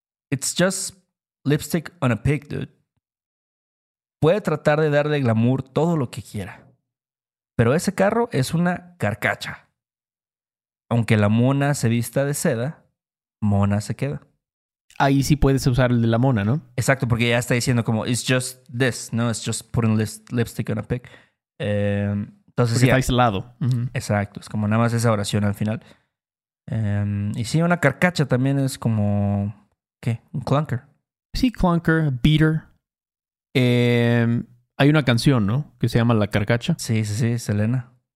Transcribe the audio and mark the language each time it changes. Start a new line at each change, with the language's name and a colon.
English: It's just lipstick on a pig, dude.
Spanish: Puede tratar de darle glamour todo lo que quiera, pero ese carro es una carcacha. Aunque la mona se vista de seda, mona se queda. Ahí sí puedes usar el de la mona, ¿no? Exacto, porque ya está diciendo como,
English: it's just this,
Spanish: ¿no?
English: It's just putting lipstick on a pig.
Spanish: Entonces, porque ya está aislado. Uh-huh. Exacto, es como nada más esa oración al final. Y sí, una carcacha también es como, ¿qué? Un clunker. Sí, clunker, beater. Hay una canción, ¿no? Que se llama La Carcacha. Sí, sí, sí, Selena.